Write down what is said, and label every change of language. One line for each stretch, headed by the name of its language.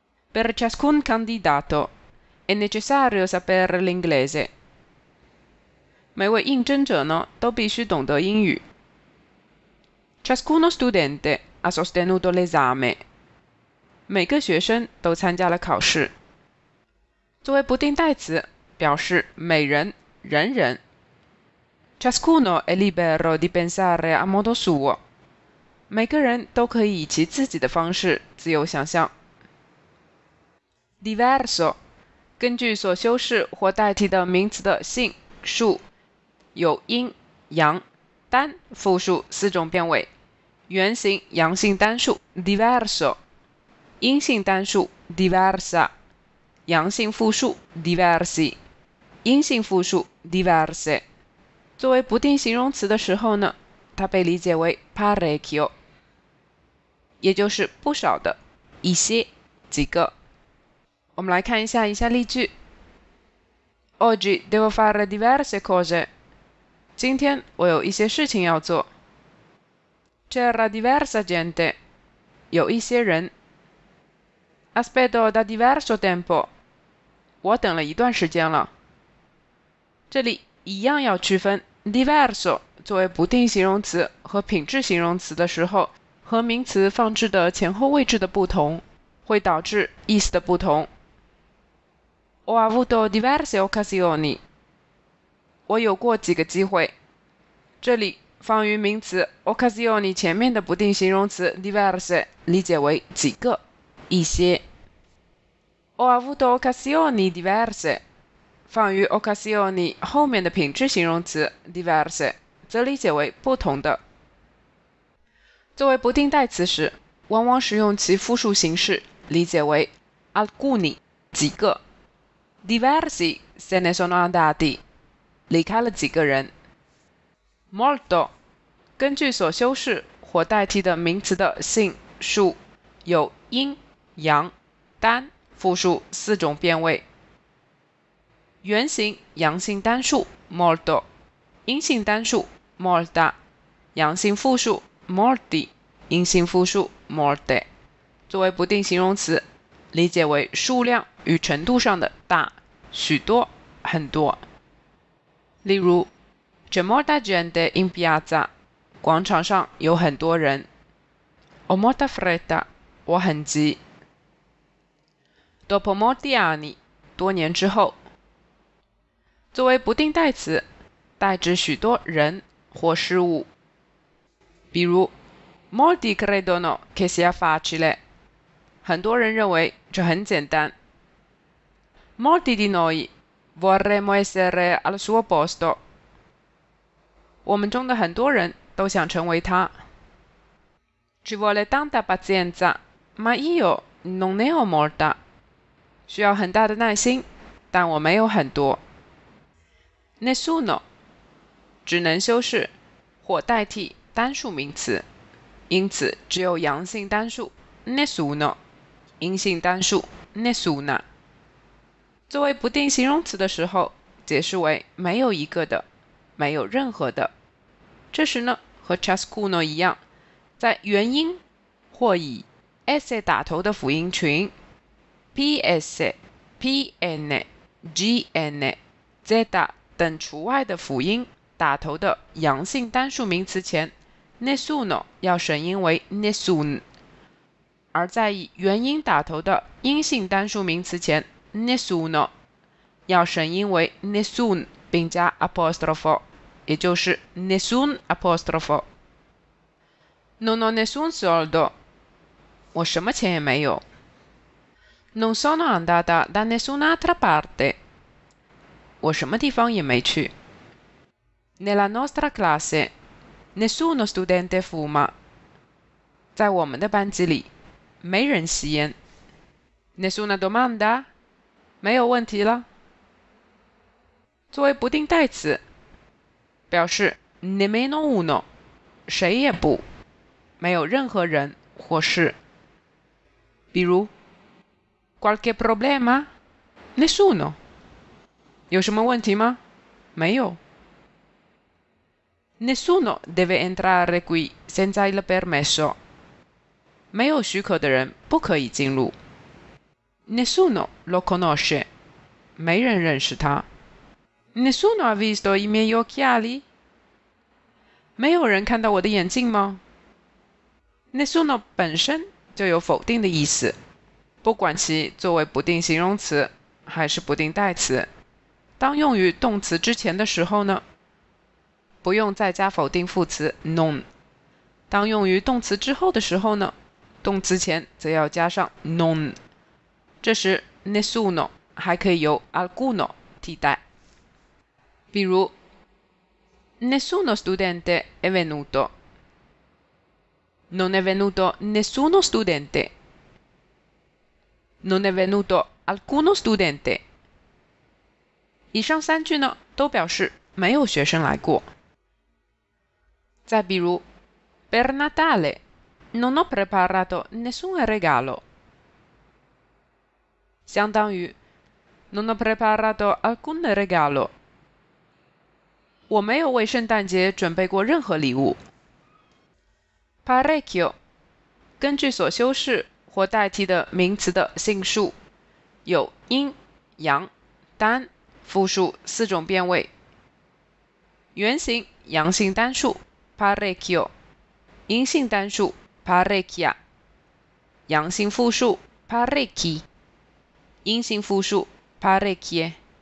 Italian: Per ciascun candidato, è necessario sapere l'inglese.
Chinese: 每位应征者呢，都必须懂得英语。
Italian: Ciascuno studente ha sostenuto l'esame.
Chinese: 每个学生都参加了考试。作为不定代词表示每人人人。
Italian: Ciascuno è libero di pensare a modo suo。
Chinese: 每个人都可以以其自己的方式自由想象。
Italian: Diverso,
Chinese: 根据所修饰或代替的名词的性数有阴阳单复数四种变位。原型阳性单数 diverso。阴性单数 diversa, 阳性复数 diversi, 阴性复数 diverse。作为不定形容词的时候呢它被理解为 parecchio, 也就是不少的一些几个。我们来看一下以下例句。
Italian: Oggi devo fare diverse cose,
Chinese: 今天我有一些事情要做。
Italian: C'era diversa gente,
Chinese: 有一些人。
Italian: Aspetto da diverso tempo,
Chinese: 我等了一段时间了。这里一样要区分 diverso 作为不定形容词和品质形容词的时候和名词放置的前后位置的不同会导致意思的不同。
Italian: Ho avuto diverse occasioni,
Chinese: 我有过几个机会。这里放于名词 occasioni 前面的不定形容词 diverse 理解为几个一些。
Italian: Ho avuto occasioni diverse,
Chinese: 放于 occasioni 后面的品质形容词 diverse, 则理解为不同的。作为不定代词时往往使用其复数形式理解为 alcuni, 几个。
Italian: Diversi se ne sono andati,
Chinese: 离开了几个人。
Italian: Molto,
Chinese: 根据所修饰或代替的名词的性数有阴阳单复数四种变位。原型阳性单数 molto, 阴性单数 molta, 阳性复数 molti, 阴性复数 molte, 作为不定形容词理解为数量与程度上的大许多很多。例如
Italian: c'è molta gente in piazza,
Chinese: 广场上有很多人。
Italian: ho molta fretta,
Chinese: 我很急。
Italian: Dopo molti anni,
Chinese: 多年之后。作为不定代词，代指许多人或事物。比如
Italian: Molti credono che sia facile，
Chinese: 很多人认为这很简单。
Italian: Molti di noi vorremmo essere al suo posto，
Chinese: 我们中的很多人都想成为他。
Italian: Ci vuole tanta pazienza， ma io non ne ho molta，
Chinese: 需要很大的耐心，但我没有很多。 Nessuno 只能修饰或代替单数名词，因此只有阳性单数 nessuno， 阴性单数 nessuna。作为不定形容词的时候，解释为没有一个的，没有任何的。这时呢，和 ciascuno 一样，在元音或以 s 打头的辅音群 ps、pn、gn、z 等除外的辅音打头的阳性单数名词前，nessuno 要省音为 nessun，而在以元音打头的阴性单数名词前 nessuno 要省音为 nessun 并加 apostrofo， 也就是 nessun apostrofo。
Italian: Non ho nessun soldo，
Chinese: 我什么钱也没有。
Italian: Non sono andata da nessun'altra parte，
Chinese: 我什么地方也没去。
Italian: Nella nostra classeNessuno studente fuma，
Chinese: 在我们的班级里没人吸烟。
Italian: Nessuna domanda，
Chinese: 没有问题了。作为不定代词表示
Italian: nemmeno uno，
Chinese: 谁也不，没有任何人或事。比如
Italian: qualche problema， nessuno，
Chinese: 有什么问题吗？没有。
Italian: Nessuno deve entrare qui senza il permesso，
Chinese: 没有许可的人不可以进入。
Italian: Nessuno lo conosce，
Chinese: 没人认识他。
Italian: Nessuno ha visto i miei occhiali，
Chinese: 没有人看到我的眼镜吗？ Nessuno 本身就有否定的意思，不管其作为不定形容词还是不定代词，当用于动词之前的时候呢，不用再加否定副词 non， 当用于动词之后的时候呢，动词前则要加上 non， 这时 nessuno 还可以由 alcuno 替代。
Italian: 比如 nessuno studente è venuto， non è venuto nessuno studente， non è venuto alcuno studente。
Chinese: 以上三句呢，都表示没有学生来过。
Italian: 再比如 ，Per Natale non ho preparato nessun regalo， 相当于 non ho preparato alcun regalo，
Chinese: 我没有为圣诞节准备过任何礼物。 Parecchio， 根据所修饰或代替的名词的性数，有阴、阳、单、复数四种变位。原型阳性单数。 Parecchio， 阴性单数 parecchia， 阳性复数 parecchi， 阴性复数 parecchie。